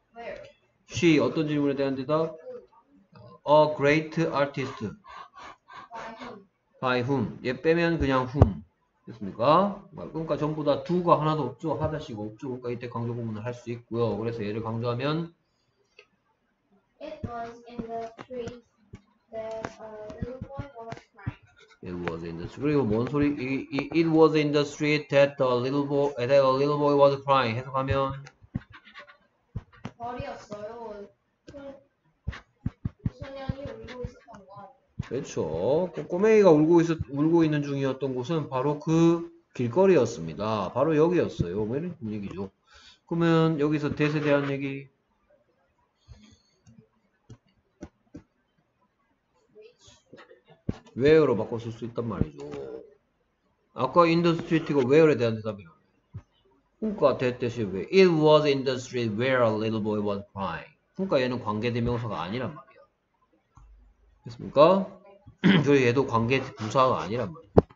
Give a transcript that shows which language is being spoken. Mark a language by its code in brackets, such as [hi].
[en] Where? she [ko] 어떤 질문에 대한 대답? [en] a great artist by whom? [ko] 얘 빼면 그냥 whom. 됐습니까? 그러니까 전부 다 do가 하나도 없죠. 하나씩 없죠. 그러니까 이때 강조 구문을 할수 있고요. 그래서 얘를 강조하면 [en] It was in the street that a little boy was crying. It was in the street. [ko] 그리고 뭔 소리? [en] It was in the street that a little boy was crying. [ko] 해석하면 어리였어요. 소년이 울고 있었던 건. 그렇죠. 그 꼬맹이가 울고 있는 중이었던 곳은 바로 그 길거리였습니다. 바로 여기였어요. 뭐 이런 얘기죠. 그러면 여기서 대세에 대한 얘기. 웨어로 바꿔 쓸수 있단 말이죠. 아까 [en] in the street [ko] 가 웨어에 대한 대답이라고. 그러니까 that 대신 왜? [en] It was in the street where a little boy was crying. [ko] 그러니까 얘는 관계대명사가 아니란 말이야. 됐습니까? 저희 얘도 관계 부사가 아니란 말이야.